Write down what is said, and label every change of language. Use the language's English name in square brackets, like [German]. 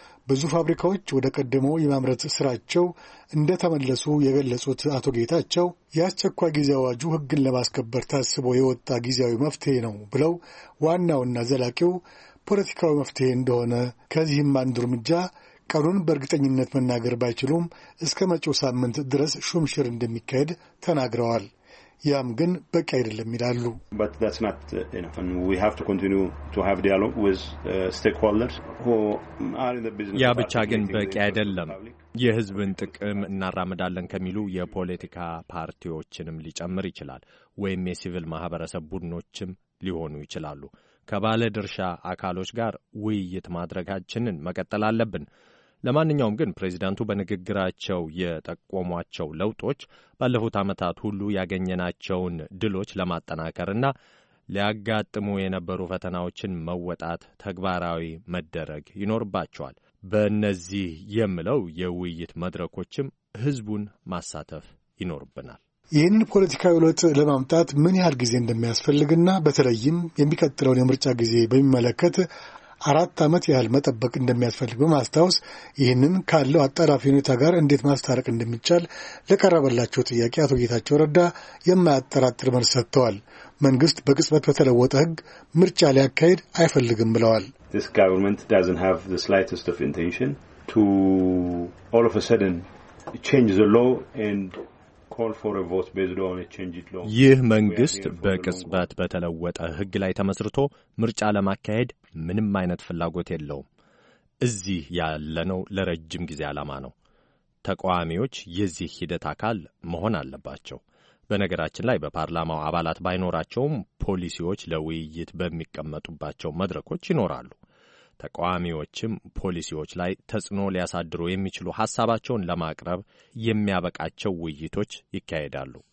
[Amharic] ብዙ ፋብሪካዎች ወደ ቀደመው የማምረት ስራቸው እንደተመለሱ የገለጹት አቶ ጌታቸው የአስቸኳይ ጊዜ አዋጁ ሕግን ለማስከበር ታስቦ የወጣ ጊዜያዊ መፍትሄ ነው ብለው ዋናውና ዘላቂው ፖለቲካዊ መፍትሄ እንደሆነ፣ ከዚህም አንድ እርምጃ ቀኑን በእርግጠኝነት መናገር ባይችሉም እስከ መጪው ሳምንት ድረስ ሹምሽር እንደሚካሄድ ተናግረዋል። ያም ግን በቂ አይደለም ይላሉ። [English] But that's not enough and we have to continue to have dialogue with stakeholders who are in the business. [Amharic] ያ ብቻ ግን በቂ አይደለም። የህዝብን ጥቅም እናራመዳለን ከሚሉ የፖለቲካ ፓርቲዎችንም ሊጨምር ይችላል፣ ወይም የሲቪል ማህበረሰብ ቡድኖችም ሊሆኑ ይችላሉ። ከባለ ድርሻ አካሎች ጋር ውይይት ማድረጋችንን መቀጠል አለብን። ለማንኛውም ግን ፕሬዚዳንቱ በንግግራቸው የጠቆሟቸው ለውጦች ባለፉት ዓመታት ሁሉ ያገኘናቸውን ድሎች ለማጠናከርና ሊያጋጥሙ የነበሩ ፈተናዎችን መወጣት ተግባራዊ መደረግ ይኖርባቸዋል። በእነዚህ የምለው የውይይት መድረኮችም ህዝቡን ማሳተፍ ይኖርብናል። ይህንን ፖለቲካዊ ለውጥ ለማምጣት ምን ያህል ጊዜ እንደሚያስፈልግና በተለይም የሚቀጥለውን የምርጫ ጊዜ በሚመለከት 4 ዓመት ያህል መጠበቅ እንደሚያስፈልግ በማስታወስ ይህንን ካለው አጣዳፊ ሁኔታ ጋር እንዴት ማስታረቅ እንደሚቻል ለቀረበላቸው ጥያቄ አቶ ጌታቸው ረዳ የማያጠራጥር መልስ ሰጥተዋል። መንግስት በቅጽበት በተለወጠ ህግ ምርጫ ሊያካሄድ አይፈልግም ብለዋል። [English] This government doesn't have the slightest of intention to all of a sudden change the law and call for a vote based on a change it law. [Amharic] ይህ መንግስት በቅጽበት በተለወጠ ህግ ላይ ተመስርቶ ምርጫ ለማካሄድ ምንም አይነት ፍላጎት የለውም። እዚህ ያለነው ለረጅም ጊዜ አላማ ነው። ተቃዋሚዎች የዚህ ሂደት አካል መሆን አለባቸው። በነገራችን ላይ በፓርላማው አባላት ባይኖራቸውም ፖሊሲዎች ለውይይት በሚቀመጡባቸው መድረኮች ይኖራሉ። ተቃዋሚዎችም ፖሊሲዎች ላይ ተጽዕኖ ሊያሳድሩ የሚችሉ ሐሳባቸውን ለማቅረብ የሚያበቃቸው ውይይቶች ይካሄዳሉ።